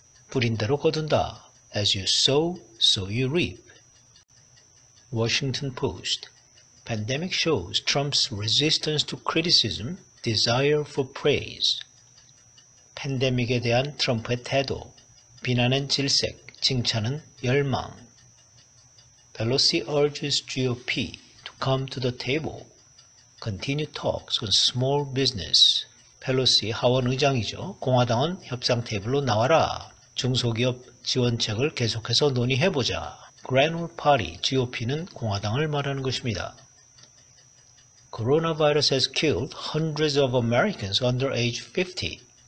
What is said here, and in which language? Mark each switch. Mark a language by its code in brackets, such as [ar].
[ko] 뿌린 대로 거둔다. [en] As you sow, so you reap. Washington Post. Pandemic shows Trump's resistance to criticism, desire for praise. [ko] 팬데믹에 대한 트럼프의 태도. 비난은 질색, 칭찬은 열망. [en] Pelosi urges GOP to come to the table. Continue talks on small business. [ko] 펠로시 하원 의장이죠. 공화당은 협상 테이블로 나와라. 중소기업 지원책을 계속해서 논의해보자. Granul Party, GOP는 공화당을 말하는 것입니다. [en] Coronavirus has killed hundreds of Americans under age 50.